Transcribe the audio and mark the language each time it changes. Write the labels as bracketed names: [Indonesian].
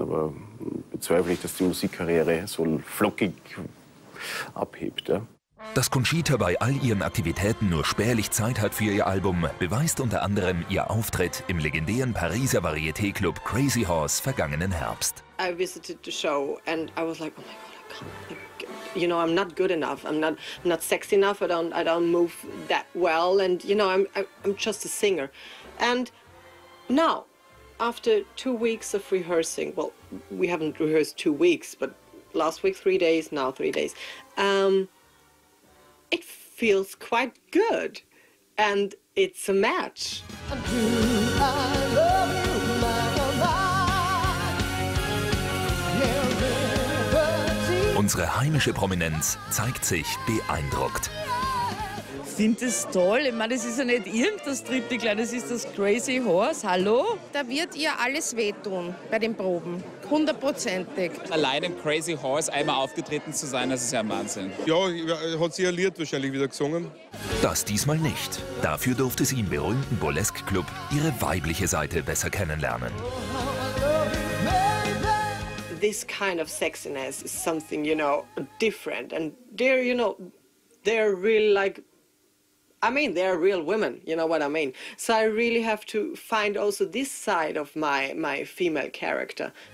[German] Aber bezweifle ich, dass die Musikkarriere so flockig abhebt. Ja? Dass Conchita bei all ihren Aktivitäten nur spärlich Zeit hat für ihr Album, beweist unter anderem ihr Auftritt im legendären Pariser Varieté-Club Crazy Horse vergangenen Herbst. [English] I visited the show and I was like, oh my god, I can't. You know, I'm not good enough. I'm not sexy enough. I don't move that well. And you know, I'm just a singer. And now, after 2 weeks of rehearsing, well, we haven't rehearsed 2 weeks, but last week 3 days, now 3 days. It feels quite good, and it's a match. [German] Unsere heimische Prominenz zeigt sich beeindruckt. Sind das toll? Ich meine, das ist ja nicht irgendein dritte Kleine, das ist das Crazy Horse. Hallo? Da wird ihr alles wehtun bei den Proben. Hundertprozentig. Allein im Crazy Horse einmal aufgetreten zu sein, das ist ja ein Wahnsinn. Ja, hat sie ja Lied wahrscheinlich wieder gesungen. Das diesmal nicht. Dafür durfte sie im berühmten Burlesque-Club ihre weibliche Seite besser kennenlernen. [English] This kind of sexiness is something, you know, different. And they're, you know, they're really like, I mean, they are real women, you know what I mean. So I really have to find also this side of my female character.